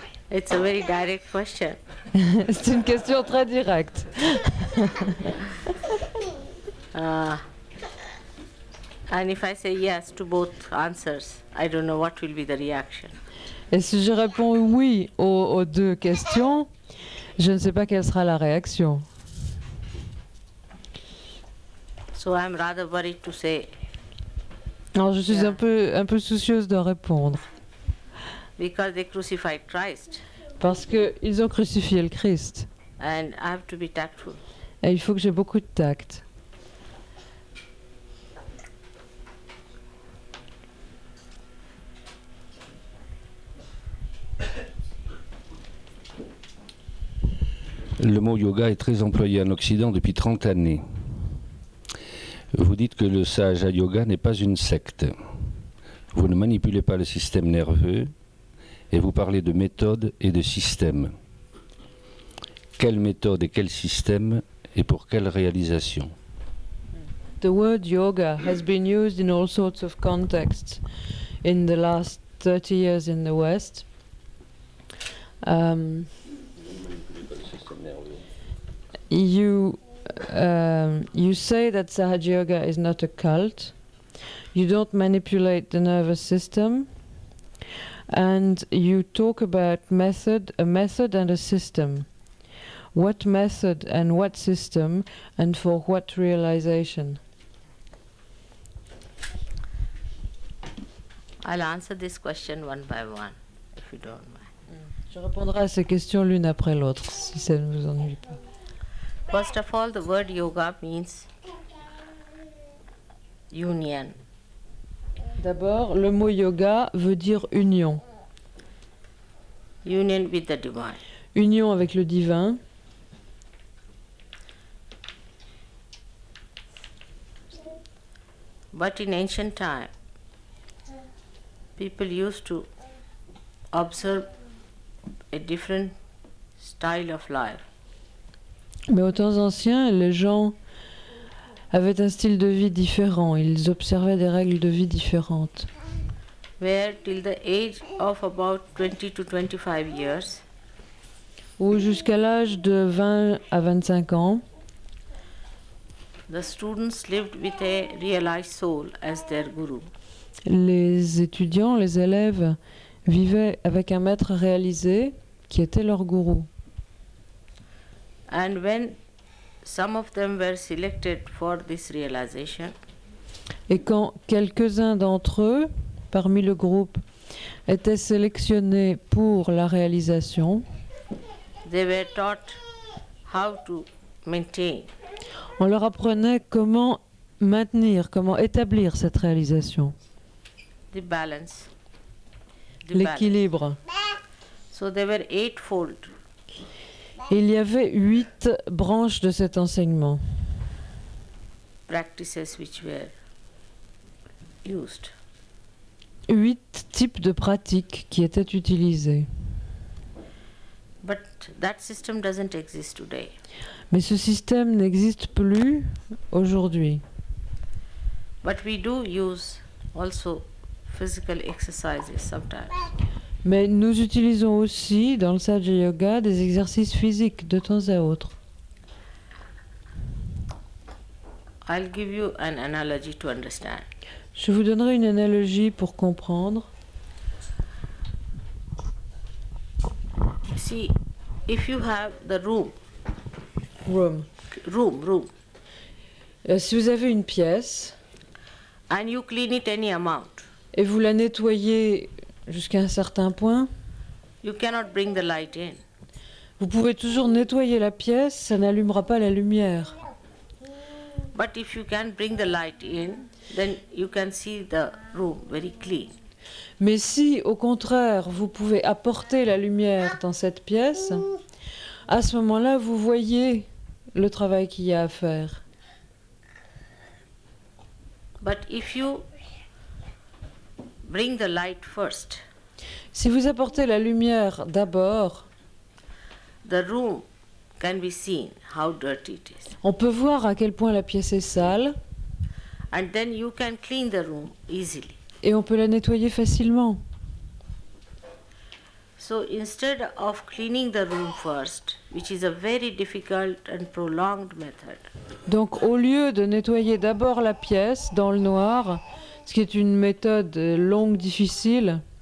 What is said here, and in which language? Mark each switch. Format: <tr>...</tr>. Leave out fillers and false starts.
<en>It's a very direct question.</en> <fr>C'est une question très directe.</fr> <en>And if I say yes to both answers, I don't know what will be the reaction.</en> <fr>Et si je réponds oui aux deux questions, je ne sais pas quelle sera la réaction.</fr> <en>So I'm rather worried to say.</en> <fr>Alors je suis un peu soucieuse de répondre.</fr> <en>Because they crucified Christ.</en> <fr>Parce qu'ils ont crucifié le Christ.</fr> <en>And I have to be tactful.</en> <fr>Et il faut que j'ai beaucoup de tact. Le mot yoga est très employé en Occident depuis 30 années. Vous dites que le sage à yoga n'est pas une secte. Vous ne manipulez pas le système nerveux. Et vous parlez de méthode et de système. Quelle méthode et quel système et pour quelle réalisation?</fr> <en>The word yoga has been used in all sorts of contexts in the last 30 years in the West. You say that Sahaja Yoga is not a cult. You don't manipulate the nervous system. And you talk about a method and a system. What method and what system and for what realization? I'll answer this question one by one, if you don't mind.</en> <fr>Je répondrai à ces questions l'une après l'autre, si ça ne vous ennuie pas.</fr> <en>First of all, the word yoga means union.</en> <fr>D'abord, le mot yoga veut dire union.</fr> <en>Union with the divine.</en> <fr>Union avec le divin.</fr> <en>But in ancient time, people used to observe a different style of life.</en> <fr>Mais aux temps anciens, les gens avaient un style de vie différent. Ils observaient des règles de vie différentes.</fr> <en>Where till the age of about 20 to 25 years.</en> <fr>Ou jusqu'à l'âge de 20 à 25 ans.</fr> <en>The students lived with a realized soul as their guru.</en> <fr>Les étudiants, les élèves vivaient avec un maître réalisé qui était leur gourou.</fr> <en>And when some of them were selected for this realization.</en> <fr>Et quand quelques-uns d'entre eux parmi le groupe étaient sélectionnés pour la réalisation.</fr> <en>They were taught how to maintain.</en> <fr>On leur apprenait comment maintenir, comment établir cette réalisation.</fr> <en>The balance.</en> <fr>The L'équilibre.</fr> <en>So there were eightfold.</en> <fr>Il y avait 8 branches de cet enseignement.</fr> <en>Practices which were used.</en> <fr>8 types de pratiques qui étaient utilisées.</fr> <en>But that system doesn't exist today.</en> <fr>Mais ce système n'existe plus aujourd'hui.</fr> <en>But we do use also physical exercises sometimes.</en> <fr>Mais nous utilisons aussi dans le Sahaja Yoga des exercices physiques de temps à autre.</fr> <en>I'll give you an analogy to understand.</en> <fr>Je vous donnerai une analogie pour comprendre.</fr> <en>See, if you have the room.</en> <fr>Room. Si vous avez une pièce.</fr> <en>And you clean it any amount.</en> <fr>Et vous la nettoyez jusqu'à un certain point.</fr> <en>You cannot bring the light in.</en> <fr>Vous pouvez toujours nettoyer la pièce, ça n'allumera pas la lumière.</fr> <en>But if you can bring the light in, then you can see the room very clean.</en> <fr>Mais si, au contraire, vous pouvez apporter la lumière dans cette pièce, à ce moment-là, vous voyez le travail qu'il y a à faire.</fr> <en>But if you bring the light first,</en> <fr>si vous apportez la lumière d'abord,</fr> <en>the room can be seen how dirty it is.</en> <fr>On peut voir à quel point la pièce est sale.</fr> <en>And then you can clean the room easily.</en> <fr>Et on peut la nettoyer facilement.</fr> <en>So instead of cleaning the room first, which is a very difficult and prolonged method.</en> <fr>Donc au lieu de nettoyer d'abord la pièce dans le noir, ce qui est une méthode longue, difficile.</fr>